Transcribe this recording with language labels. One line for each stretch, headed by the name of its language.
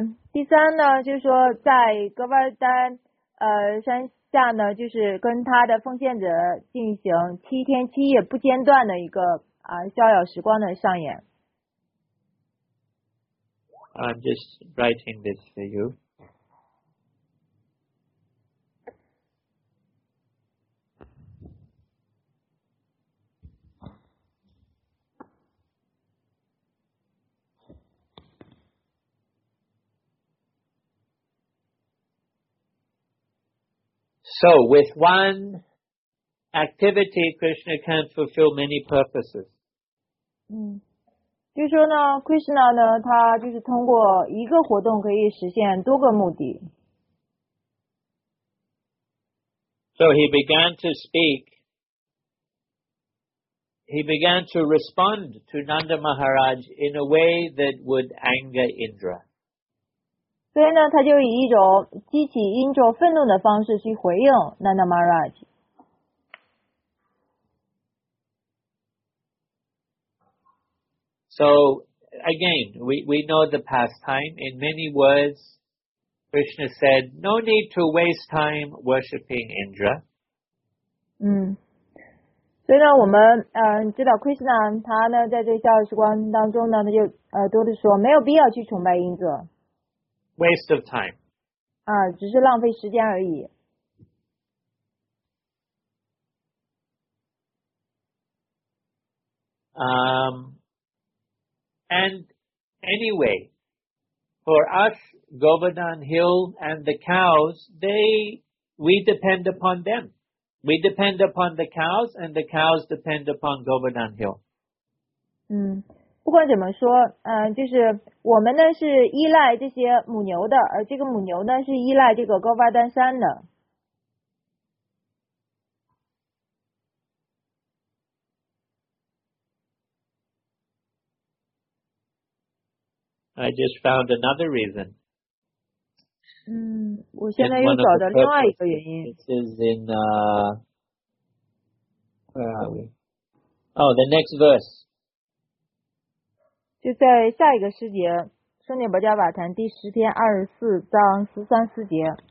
Chinese: 第三呢，就是说在 Govardhan 山下呢，就是跟他的奉献者进行七天七夜不间断的一个啊逍遥时光的上演。
English: I'm just writing this for you. So, with one activity, Krishna can fulfill many purposes.
Chinese: 就说呢 ，Krishna 呢，他就是通过一个活动可以实现多个目的。
English: So he began to speak. He began to respond to Nanda Maharaj in a way that would anger Indra.
Chinese: 所以呢，他就以一种激起 Indra 愤怒的方式去回应 Nanda Maharaj。
English: So, again, we know the pastime. In many words, Krishna said, no need to waste time worshipping Indra.
Chinese: 所以呢，我们知道 Krishna 他呢在这逍遥时光当中呢，他就多的说没有必要去崇拜 Indra.
English: Waste of time.
Chinese: 只是浪费时间而已。
English: And anyway, for us, Govardhan Hill and the cows, we depend upon them. We depend upon the cows, and the cows depend upon Govardhan Hill.
Chinese: 不管怎么说，就是我们呢是依赖这些母牛的，而这个母牛呢是依赖这个高巴丹山的。
English: I just found another reason.
Chinese: 我现在又找到另外一个原因。
English: This is in, where are we? Oh, the next verse.
Chinese: 就在下一个诗节，《圣涅伯迦瓦坛》第十篇二十四章十三四节。